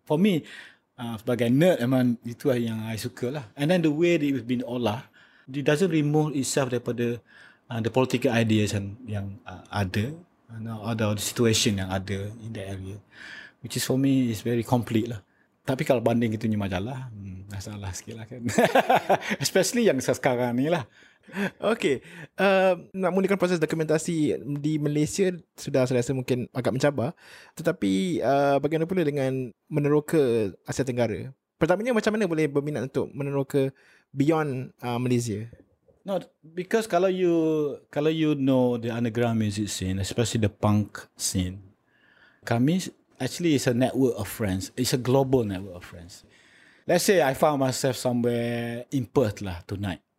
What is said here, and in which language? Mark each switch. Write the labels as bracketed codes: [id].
[en] For me, [ms] sebagai nerd, memang itu yang I suka lah. [en] And then the way that it's been olah, it doesn't remove itself daripada the political ideas [ms] yang ada, atau [en] the situation yang ada in the area, which is for me is very complete lah. [ms] Tapi kalau banding itu majalah, masalah sikit lah kan. Especially yang sekarang ni lah. Okay, nak mulakan proses dokumentasi di Malaysia sudah saya rasa mungkin agak mencabar. Tetapi bagaimana pula dengan meneroka Asia Tenggara? Pertamanya macam mana boleh berminat untuk meneroka [en] beyond Malaysia? No, because kalau you know the underground music scene, especially the punk scene, kami actually is a network of friends. It's a global network of friends. Let's say I found myself somewhere in Perth lah tonight.